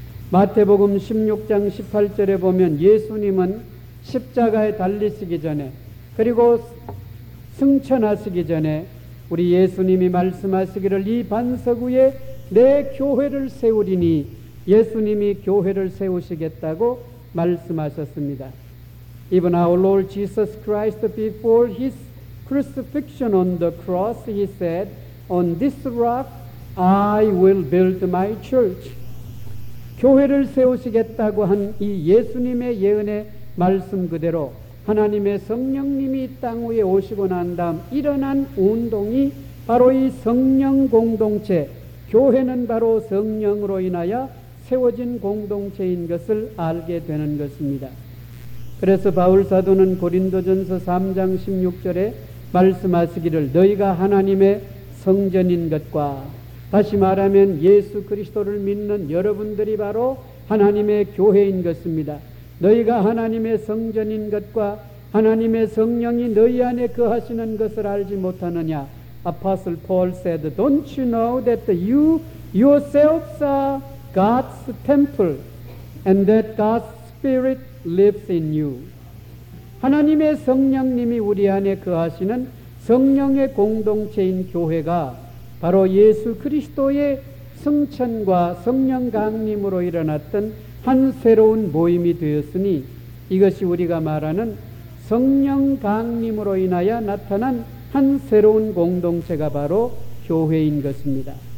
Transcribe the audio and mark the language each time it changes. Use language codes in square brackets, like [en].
[ko] 마태복음 16장 18절에 보면 예수님은 십자가에 달리시기 전에 그리고 승천하시기 전에 우리 예수님이 말씀하시기를 이 반석 위에 내 교회를 세우리니 예수님이 교회를 세우시겠다고 말씀하셨습니다. [en] Even our Lord Jesus Christ before his crucifixion on the cross he said on this rock I will build my church. [ko] 교회를 세우시겠다고 한 이 예수님의 예언의 말씀 그대로 하나님의 성령님이 땅 위에 오시고 난 다음 일어난 운동이 바로 이 성령 공동체, 교회는 바로 성령으로 인하여 세워진 공동체인 것을 알게 되는 것입니다. 그래서 바울사도는 고린도전서 3장 16절에 말씀하시기를 너희가 하나님의 성전인 것과 다시 말하면 예수 그리스도를 믿는 여러분들이 바로 하나님의 교회인 것입니다. 너희가 하나님의 성전인 것과 하나님의 성령이 너희 안에 거하시는 것을 알지 못하느냐. [en] Apostle Paul said, Don't you know that you yourselves are God's temple and that God's Spirit lives in you? [ko] 하나님의 성령님이 우리 안에 거하시는 성령의 공동체인 교회가 바로 예수 그리스도의 승천과 성령 강림으로 일어났던 한 새로운 모임이 되었으니 이것이 우리가 말하는 성령 강림으로 인하여 나타난 한 새로운 공동체가 바로 교회인 것입니다.